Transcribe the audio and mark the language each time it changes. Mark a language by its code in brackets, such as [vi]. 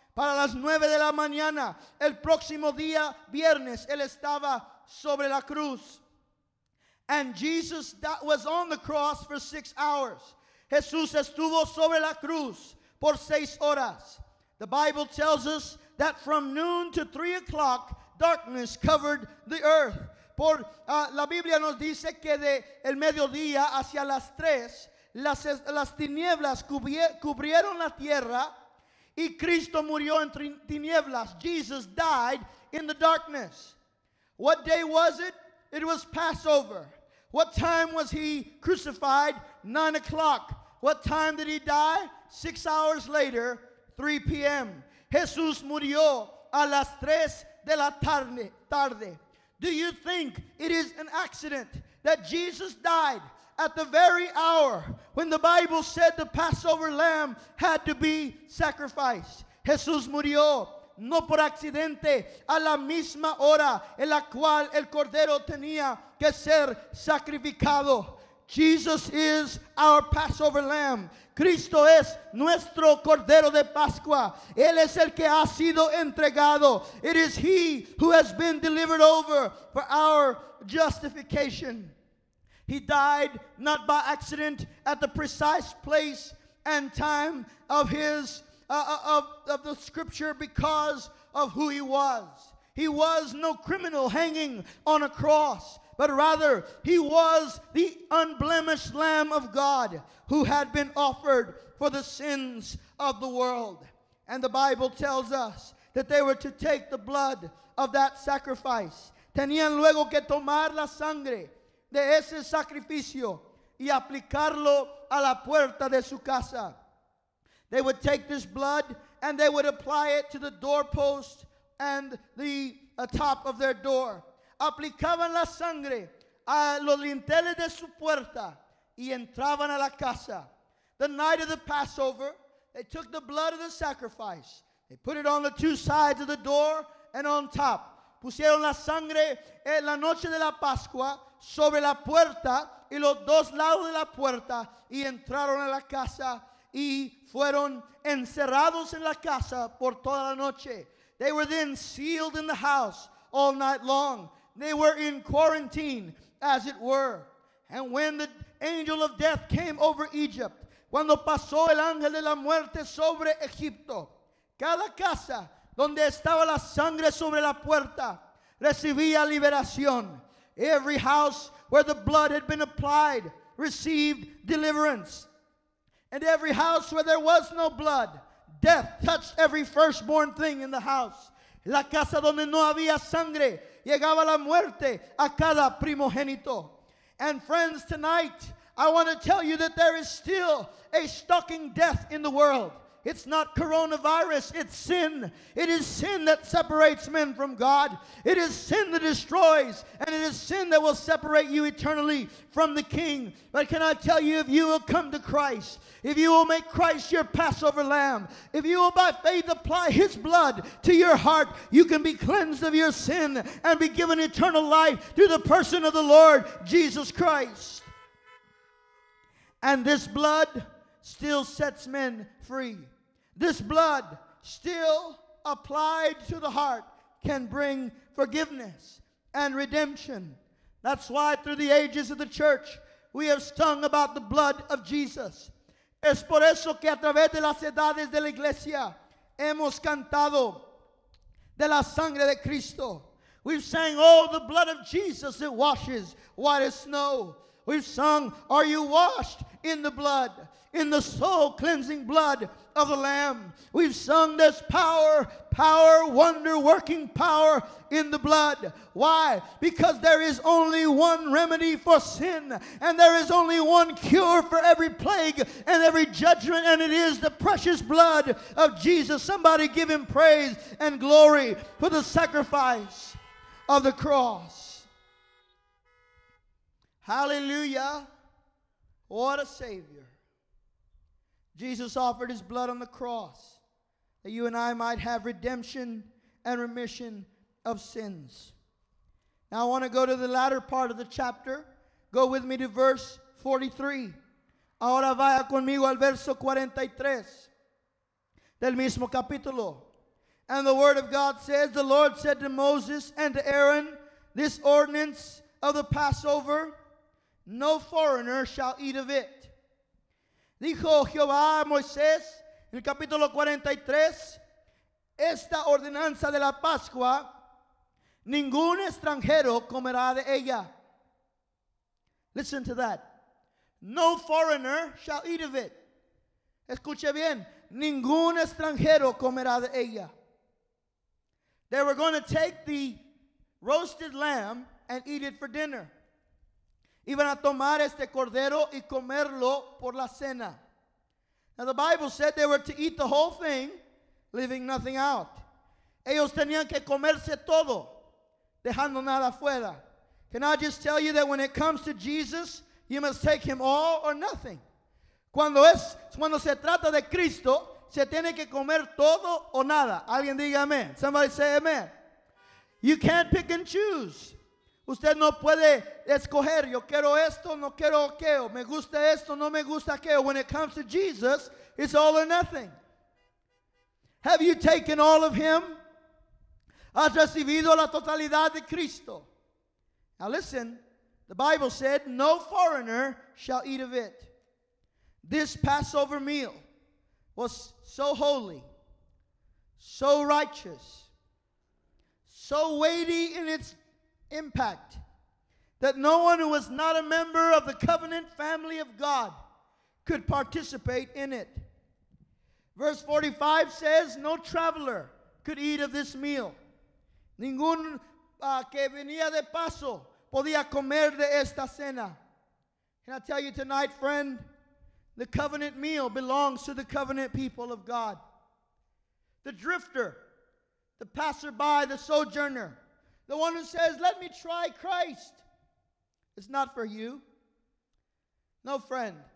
[es] Para las 9 de la mañana, el próximo día, viernes, él estaba sobre la cruz. [en] And Jesus was on the cross for 6 hours. [es] Jesús estuvo sobre la cruz por 6 horas. [en] The Bible tells us that from noon to 3 o'clock, darkness covered the earth. [es] La Biblia nos dice que de el mediodía hacia las 3, las tinieblas cubrieron la tierra, y Cristo murió en tinieblas. [en] Jesus died in the darkness. What day was it? It was Passover. What time was he crucified? 9 o'clock. What time did he die? 6 hours later, 3 p.m. [es] Jesús murió a las 3 de la tarde. [en] Do you think it is an accident that Jesus died at the very hour when the Bible said the Passover lamb had to be sacrificed? [es] Jesús murió no por accidente a la misma hora en la cual el cordero tenía que ser sacrificado. [en] Jesus is our Passover lamb. [es] Cristo es nuestro cordero de Pascua. Él es el que ha sido entregado. [en] It is he who has been delivered over for our justification. He died not by accident at the precise place and time of his of the scripture because of who he was. He was no criminal hanging on a cross, but rather, he was the unblemished Lamb of God who had been offered for the sins of the world. And the Bible tells us that they were to take the blood of that sacrifice. [es] Tenían luego que tomar la sangre de ese sacrificio y aplicarlo a la puerta de su casa. [en] They would take this blood and they would apply it to the doorpost and the top of their door. [es] Aplicaban la sangre a los linteles de su puerta y entraban a la casa. [en] The night of the Passover, they took the blood of the sacrifice. They put it on the 2 sides of the door and on top. [es] Pusieron la sangre en la noche de la Pascua sobre la puerta y los 2 lados de la puerta y entraron a la casa y fueron encerrados en la casa por toda la noche. [en] They were then sealed in the house all night long. They were in quarantine, as it were. And when the angel of death came over Egypt, [es] cuando pasó el ángel de la muerte sobre Egipto, cada casa donde estaba la sangre sobre la puerta recibía liberación. [en] Every house where the blood had been applied received deliverance. And every house where there was no blood, death touched every firstborn thing in the house. [es] La casa donde no había sangre llegaba la muerte a cada primogénito. [en] And friends, tonight I want to tell you that there is still a stalking death in the world. It's not coronavirus, it's sin. It is sin that separates men from God. It is sin that destroys, and it is sin that will separate you eternally from the King. But can I tell you, if you will come to Christ, if you will make Christ your Passover lamb, if you will by faith apply his blood to your heart, you can be cleansed of your sin and be given eternal life through the person of the Lord Jesus Christ. And this blood still sets men free. This blood, still applied to the heart, can bring forgiveness and redemption. That's why through the ages of the church, we have sung about the blood of Jesus. [es] Es por eso que a través de las edades de la iglesia, hemos cantado de la sangre de Cristo. [en] We've sang, oh, the blood of Jesus, it washes white as snow. We've sung, are you washed in the blood? In the soul-cleansing blood of the Lamb. We've sung this power, power, wonder-working power in the blood. Why? Because there is only one remedy for sin, and there is only one cure for every plague and every judgment, and it is the precious blood of Jesus. Somebody give him praise and glory for the sacrifice of the cross. Hallelujah. What a Savior. Jesus offered his blood on the cross that you and I might have redemption and remission of sins. Now I want to go to the latter part of the chapter. Go with me to verse 43. [es] Ahora vaya conmigo al verso 43 del mismo capítulo. [en] And the word of God says, the Lord said to Moses and to Aaron, this ordinance of the Passover, no foreigner shall eat of it. [es] Dijo Jehová a Moisés en el capítulo 43, esta ordenanza de la Pascua, ningún extranjero comerá de ella. [en] Listen to that. No foreigner shall eat of it. [es] Escuche bien, ningún extranjero comerá de ella. [en] They were going to take the roasted lamb and eat it for dinner. [es] Iban a tomar este cordero y comerlo por la cena. [en] Now the Bible said they were to eat the whole thing, leaving nothing out. [es] Ellos tenían que comerse todo, dejando nada fuera. [en] Can I just tell you that when it comes to Jesus, you must take him all or nothing. [es] Cuando se trata de Cristo, se tiene que comer todo o nada. Alguien diga amén. [en] Somebody say amén. You can't pick and choose. [es] Usted no puede escoger, yo quiero esto, no quiero aquello, me gusta esto, no me gusta aquello. [en] When it comes to Jesus, it's all or nothing. Have you taken all of him? [es] ¿Has recibido la totalidad de Cristo? [en] Now listen, the Bible said, no foreigner shall eat of it. This Passover meal was so holy, so righteous, so weighty in its impact, that no one who was not a member of the covenant family of God could participate in it. Verse 45 says, no traveler could eat of this meal. [es] Ningún que venía de paso podía comer de esta cena. [en] Can I tell you tonight, friend, the covenant meal belongs to the covenant people of God. The drifter, the passerby, the sojourner, the one who says, let me try Christ, it's not for you. No, friend.